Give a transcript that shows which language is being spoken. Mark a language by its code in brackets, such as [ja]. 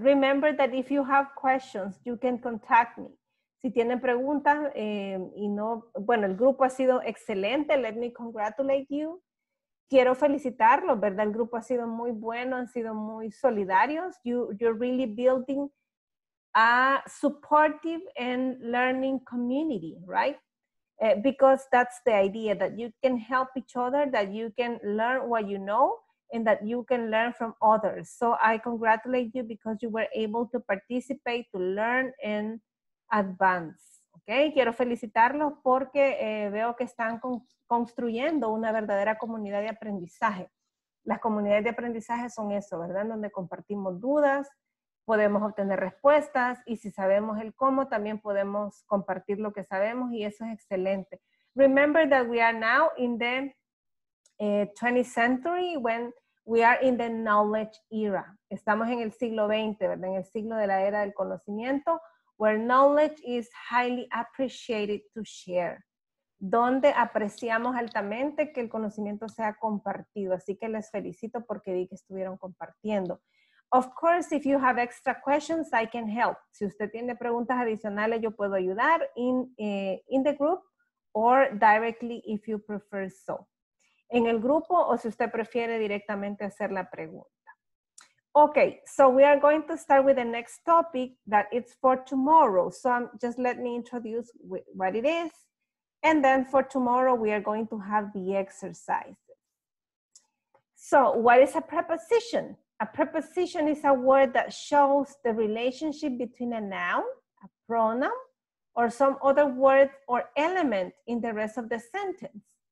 [en] Remember that if you have questions, you can contact me. [es] Si tienen preguntas y no, bueno, el grupo ha sido excelente. [en] Let me congratulate you. [es] Quiero felicitarlos, ¿verdad? El grupo ha sido muy bueno, han sido muy solidarios. [en] You're really building a supportive and learning community, right? Because that's the idea, that you can help each other, that you can learn what you know, and that you can learn from others. So I congratulate you because you were able to participate, to learn and advance, OK? [es] Okay, quiero felicitarlos porque veo que están construyendo una verdadera comunidad de aprendizaje. Las comunidades de aprendizaje son eso, ¿verdad? Donde compartimos dudas, podemos obtener respuestas y si sabemos el cómo, también podemos compartir lo que sabemos y eso es excelente. [en] Remember that we are now in the 20th century when we are in the knowledge era. [es] Estamos en el siglo XX, ¿verdad? En el siglo de la era del conocimiento, [en] where knowledge is highly appreciated to share. [es] Donde apreciamos altamente que el conocimiento sea compartido. Así que les felicito porque vi que estuvieron compartiendo. [en] Of course, if you have extra questions, I can help. [es] Si usted tiene preguntas adicionales, yo puedo ayudar [en] in the group or directly if you prefer so. [es] En el grupo o si usted prefiere directamente hacer la pregunta. [en] Okay, so we are going to start with the next topic that it's for tomorrow. So just let me introduce what it is. And then for tomorrow, we are going to have the exercises. So what is a preposition? A preposition is a word that shows the relationship between a noun, a pronoun, or some other word or element in the rest of the sentence.